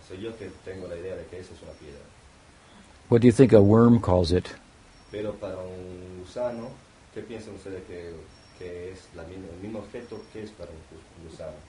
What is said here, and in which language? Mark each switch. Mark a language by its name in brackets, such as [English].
[Spanish] So yo tengo la idea de que esa es una piedra. [English] What do you think a worm calls it? [Spanish] Pero para un gusano, ¿qué piensan ustedes que es el mismo objeto que es para un gusano?